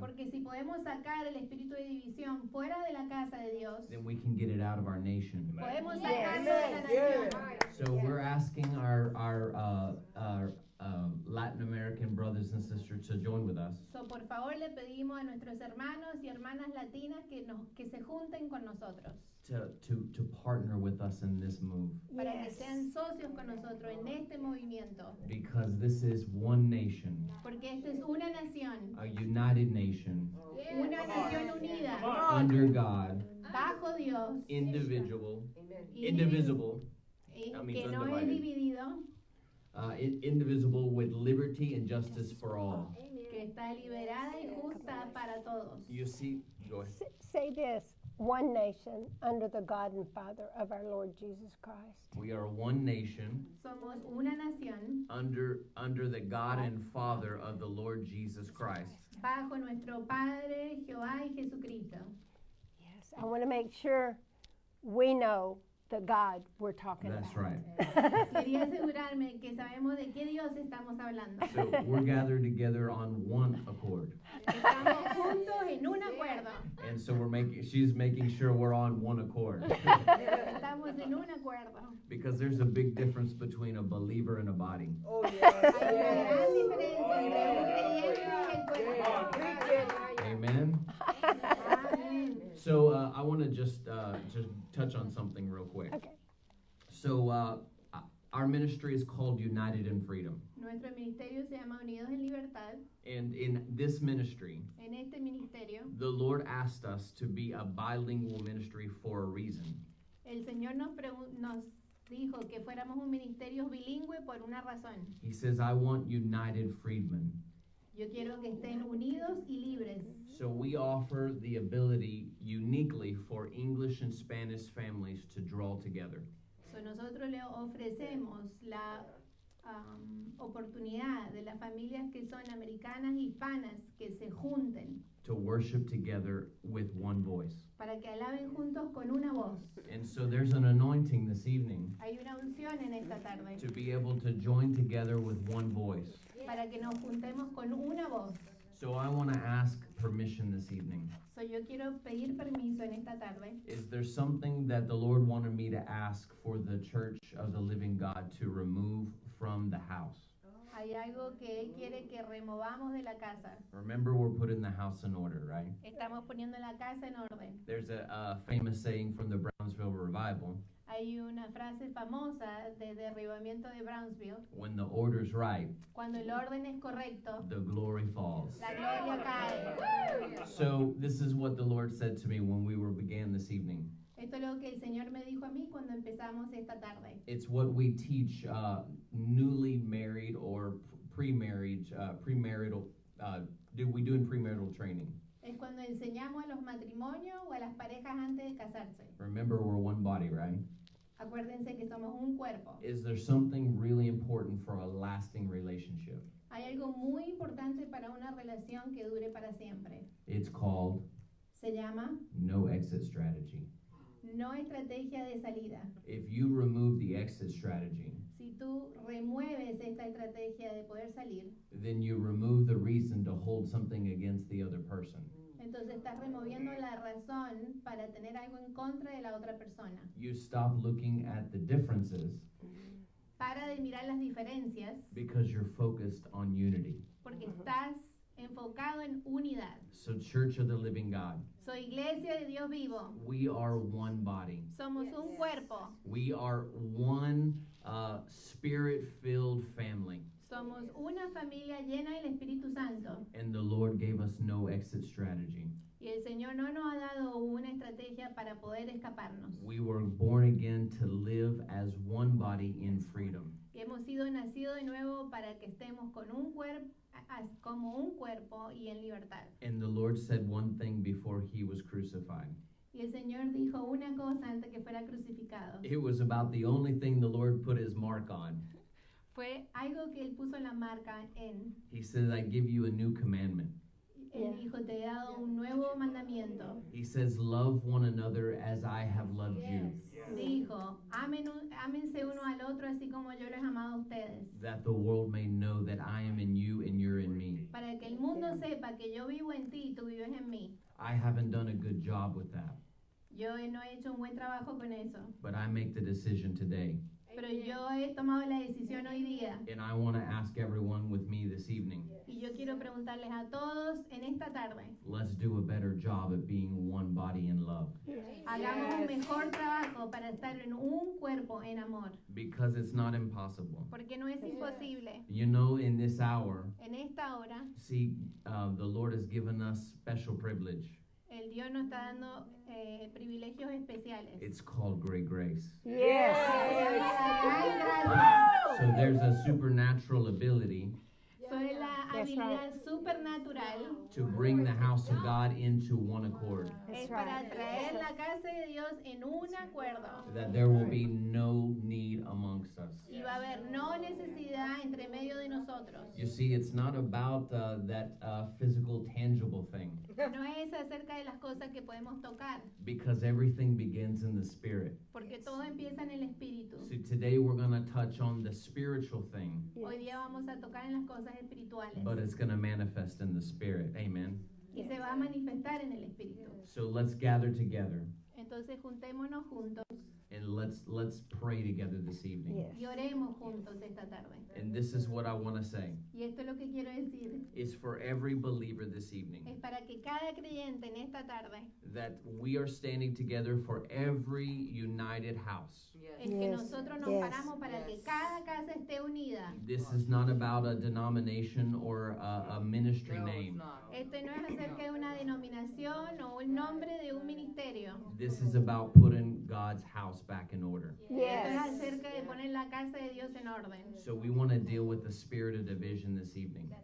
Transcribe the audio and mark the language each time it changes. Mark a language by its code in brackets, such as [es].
[es] porque si podemos sacar el espíritu de división fuera de la casa de Dios, [en] then we can get it out of our nation. [es] Podemos sacarlo de la nación. [en] So we're asking our Latin American brothers and sisters to join with us. [es] So por favor le pedimos a nuestros hermanos y hermanas latinas que nos que se junten con nosotros. [en] To partner with us in this move. [es] Para que sean socios con nosotros en este movimiento. [en] Because this is one nation. [es] Porque esta es una nación. [en] A united nation. [es] Una nación unida. [en] Under God. [es] Bajo Dios. [en] Individual. Indivisible. [es] Que no es dividido. [en] Indivisible with liberty and justice for all. [es] Que está liberada y justa para todos. [en] You see, go ahead. Say this. One nation under the God and Father of our Lord Jesus Christ. We are one nation. [es] Somos una nación. [en] Under the God and Father of the Lord Jesus Christ. [es] Bajo nuestro Padre Jehová y Jesucristo. [en] Yes, I want to make sure we know the God we're talking That's about. That's right. [es] Quería asegurarme que sabemos de qué Dios estamos hablando. [en] So we're gathered together on one accord. [es] Estamos juntos en un acuerdo. [en] And so she's making sure we're on one accord. [es] Estamos en un acuerdo. [en] Because there's a big difference between a believer and a body. Oh, yes. [es] Hay una gran diferencia entre un creyente y el cuerpo. [en] Amen. So I want to just touch on something real quick. Okay. So our ministry is called United in Freedom. [es] Nuestro ministerio se llama Unidos en Libertad. [en] And in this ministry, [es] en este ministerio, [en] the Lord asked us to be a bilingual ministry for a reason. [es] El Señor nos dijo que fuéramos un ministerio bilingüe por una razón. [en] He says, I want united freedmen. [es] Yo quiero que estén unidos y libres. [en] So we offer the ability uniquely for English and Spanish families to draw together. [es] So nosotros le ofrecemos la oportunidad de las familias que son americanas y hispanas que se junten. [en] To worship together with one voice. [es] Para que alaben juntos con una voz. [en] And so there's an anointing this evening. [es] Hay una unción en esta tarde. [en] To be able to join together with one voice. [es] Para que nos juntemos con una voz. [en] So I want to ask permission this evening. [es] So yo quiero pedir permiso en esta tarde. [en] Is there something that the Lord wanted me to ask for the Church of the Living God to remove from the house? [es] Hay algo que Él quiere que removamos de la casa. [en] Remember, we're putting the house in order, right? [es] Estamos poniendo la casa en orden. [en] There's a famous saying from the Brownsville Revival. [es] Hay una frase famosa de derribamiento de Brownsville. [en] When the order's right, [es] cuando el orden es correcto, [en] the glory falls. [es] La gloria cae. [en] So this is what the Lord said to me when we were began this evening. [es] Esto es lo que el Señor me dijo a mí cuando empezamos esta tarde. [en] It's what we teach newly married or premarital. We do in premarital training. [es] Es cuando enseñamos a los matrimonios o a las parejas antes de casarse. [en] Remember, we're one body, right? [es] Acuérdense que somos un cuerpo. [en] Is there something really important for a lasting relationship? [es] Hay algo muy importante para una relación que dure para siempre. [en] It's called. [es] Se llama. [en] No exit strategy. [es] No estrategia de salida. [en] If you remove the exit strategy. [es] Si tú remueves esta estrategia de poder salir. [en] Then you remove the reason to hold something against the other person. [es] Entonces estás removiendo la razón para tener algo en contra de la otra persona. [en] You stop looking at the differences. [es] Para de mirar las diferencias. [en] Because you're focused on unity. [es] Porque estás enfocado en unidad. [en] So Church of the Living God. [es] So Iglesia de Dios Vivo. [en] We are one body. [es] Somos un cuerpo. [en] We are one spirit. Spirit-filled family. [es] Somos una familia llena del Espíritu Santo. [en] And the Lord gave us no exit strategy. [es] Y el Señor no nos ha dado una estrategia para poder escaparnos. [en] We were born again to live as one body in freedom. [es] Y hemos sido nacidos de nuevo para que estemos con un cuerpo, como un cuerpo y en libertad. [en] And the Lord said one thing before he was crucified. [es] Y el Señor dijo una cosa antes que fuera crucificado. [en] It was about the only thing the Lord put his mark on. [es] Fue algo que él puso la marca en. [en] He said, I give you a new commandment. [es] Él dijo, te he dado un nuevo mandamiento. [en] He says, love one another as I have loved you. [es] Dijo, ámense uno al otro así como yo los he amado a ustedes. [en] That the world may know that I am in you and you're in me. [es] Para que el mundo sepa que yo vivo en ti y tú vives en mí. [en] I haven't done a good job with that. [es] Yo no he hecho un buen trabajo con eso. [en] But I make the decision today. [es] Pero yo he tomado la decisión hoy día. [en] And I want to ask everyone with me this evening. [es] Y yo quiero preguntarles a todos en esta tarde. [en] Let's do a better job at being one body in love. [es] Hagamos un mejor trabajo para estar en un cuerpo en amor. [en] Because it's not impossible. [es] Porque no es imposible. [en] You know, in this hour. [es] En esta hora. [en] See, the Lord has given us special privilege. [es] El Dios nos está dando privilegios especiales. [en] It's called great grace. Yes. So there's a supernatural ability. [es] So es la habilidad supernatural. [en] To bring the house of God into one accord. [es] Es para traer la casa de Dios en un acuerdo. [en] That there will be no need amongst us. [es] Y va a haber no necesidad entre medio de nosotros. [en] You see, it's not about that physical, tangible thing. [es] No es acerca de las cosas que podemos tocar. [en] Because everything begins in the spirit. [es] Porque todo empieza en el espíritu. [en] So today we're going to touch on the spiritual thing. [es] Hoy día vamos a tocar en las cosas espirituales. [en] But it's going to manifest in the spirit. Amen. [es] Y se va a manifestar en el espíritu. [en] So let's gather together. [es] Entonces juntémonos juntos. [en] And let's pray together this evening. Yes. [es] Y oremos juntos esta tarde. [en] And this is what I want to say. [es] Y esto es lo que quiero decir. [en] It's for every believer this evening. [es] Es para que cada creyente en esta tarde. [en] That we are standing together for every united house. This is not about a denomination or a ministry name. [es] Este no es acerca de una denominación o un nombre de un ministerio. [en] This is about putting God's house back in order. Yes. So we want to deal with the spirit of division this evening.